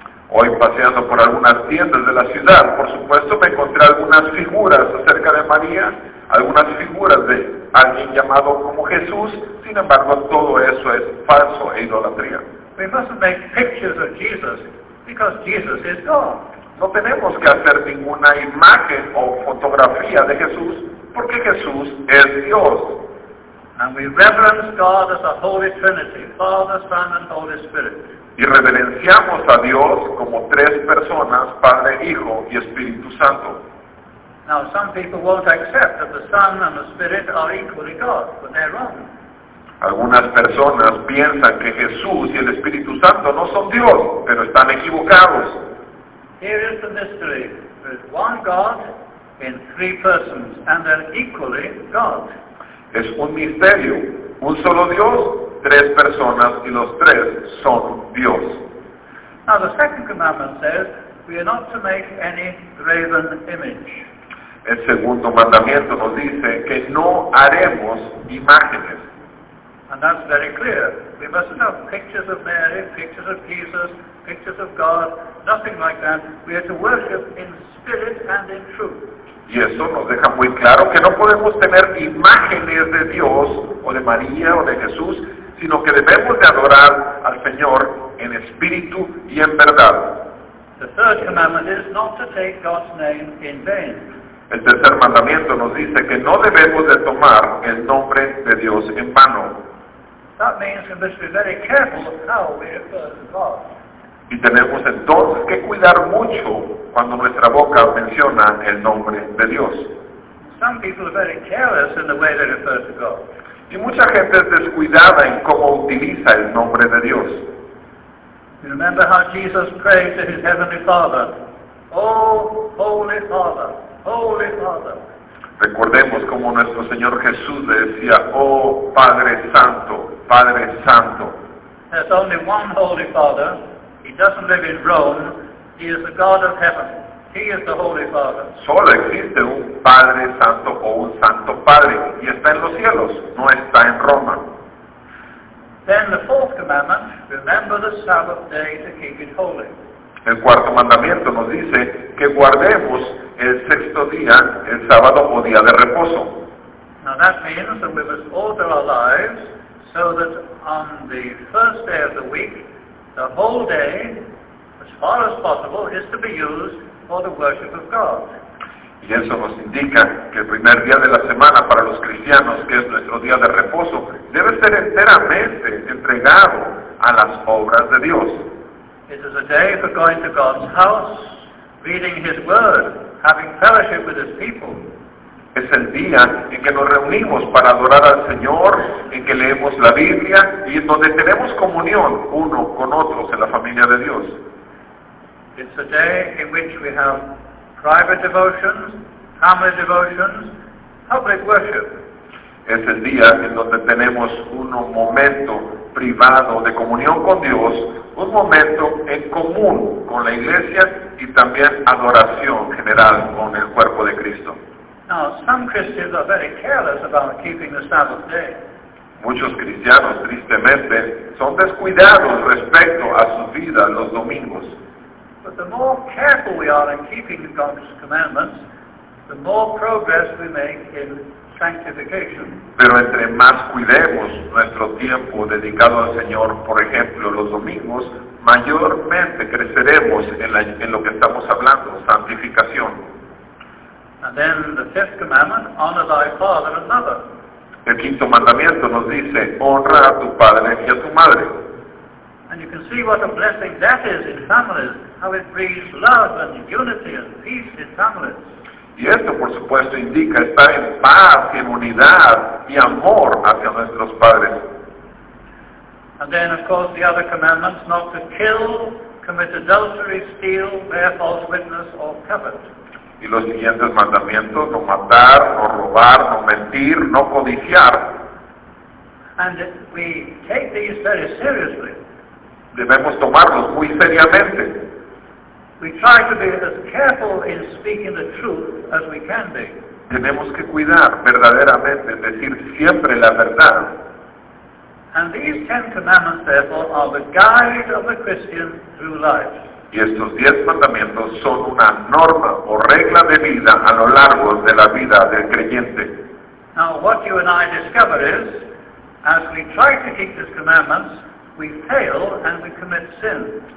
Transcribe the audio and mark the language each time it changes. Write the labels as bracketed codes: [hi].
[es] Hoy paseando por algunas tiendas de la ciudad, por supuesto me encontré algunas figuras acerca de María, algunas figuras de alguien llamado como Jesús, sin embargo todo eso es falso e idolatría. [en] We mustn't make pictures of Jesus because Jesus is God. [es] No tenemos que hacer ninguna imagen o fotografía de Jesús porque Jesús es Dios. [en] And we reverence God as a holy Trinity, Father, Son, and Holy Spirit. [es] Y reverenciamos a Dios como tres personas, Padre, Hijo y Espíritu Santo. [en] Now some people won't accept that the Son and the Spirit are equally God, but they're wrong. [es] Algunas personas piensan que Jesús y el Espíritu Santo no son Dios, pero están equivocados. [en] Here is the mystery. There is one God in three persons, and they're equally God. [es] Es un misterio, un solo Dios, tres personas y los tres son Dios. [en] Now the second commandment says, we are not to make any graven image. [es] El segundo mandamiento nos dice que no haremos imágenes. [en] And that's very clear. We mustn't have pictures of Mary, pictures of Jesus, pictures of God, nothing like that. We are to worship in spirit and in truth. [es] Y eso nos deja muy claro que no podemos tener imágenes de Dios o de María o de Jesús, sino que debemos de adorar al Señor en espíritu y en verdad. [en] The third commandment is not to take God's name in vain. [es] El tercer mandamiento nos dice que no debemos de tomar el nombre de Dios en vano. [en] That means we must be very careful of how we refer to God. [es] Y tenemos entonces que cuidar mucho cuando nuestra boca menciona el nombre de Dios. [en] Some people are very careless in the way they refer to God. [es] Y mucha gente es descuidada en cómo utiliza el nombre de Dios. [en] You remember how Jesus prayed to his heavenly Father, "Oh, Holy Father, Holy Father." [es] Recordemos cómo nuestro Señor Jesús le decía, "Oh, Padre Santo, Padre Santo." [en] has only one Holy Father. He doesn't live in Rome. He is the God of heaven. He is the Holy Father. [es] Solo existe un Padre Santo o un Santo Padre, y está en los cielos, no está en Roma. [en] Then the fourth commandment, remember the Sabbath day to keep it holy. [es] El cuarto mandamiento nos dice que guardemos el sexto día, el sábado o día de reposo. [en] Now that means that we must order our lives so that on the first day of the week, the whole day, as far as possible, is to be used for the worship of God. [es] Y eso nos indica que el primer día de la semana para los cristianos, que es nuestro día de reposo, debe ser enteramente entregado a las obras de Dios. [en] It is a day for going to God's house, reading His Word, having fellowship with His people. [es] Es el día en que nos reunimos para adorar al Señor, en que leemos la Biblia y en donde tenemos comunión uno con otros en la familia de Dios. [en] It's a day in which we have private devotions, family devotions, public worship. [es] Es el día en donde tenemos un momento privado de comunión con Dios, un momento en común con la iglesia y también adoración general con el cuerpo de Cristo. [en] Now, some Christians are very careless about keeping the Sabbath day. [es] Muchos cristianos, tristemente, son descuidados respecto a su vida los domingos. [en] But the more careful we are in keeping God's commandments, the more progress we make in sanctification. [es] Pero entre más cuidemos nuestro tiempo dedicado al Señor, por ejemplo, los domingos, mayormente creceremos en lo que estamos hablando, santificación. [en] And then the fifth commandment, honor thy father and mother. [es] El quinto mandamiento nos dice, honra a tu padre y a tu madre. [en] And you can see what a blessing that is in families, how it breeds love and unity and peace in families. [es] Y esto, por supuesto, indica estar en paz, en unidad y amor hacia nuestros padres. [en] And then, of course, the other commandments, not to kill, commit adultery, steal, bear false witness, or covet. [es] Y los siguientes mandamientos, no matar, no robar, no mentir, no codiciar. [en] And we take these very seriously. [es] Debemos tomarlos muy seriamente. [en] We try to be as careful in speaking the truth as we can be. [es] Tenemos que cuidar verdaderamente, decir siempre la verdad. [en] And these ten commandments, therefore, are the guide of the Christian through life. [es] Y estos diez mandamientos son una norma o regla de vida a lo largo de la vida del creyente. [en] Now, what you and I discover is, as we try to keep these commandments, we fail and we commit sin.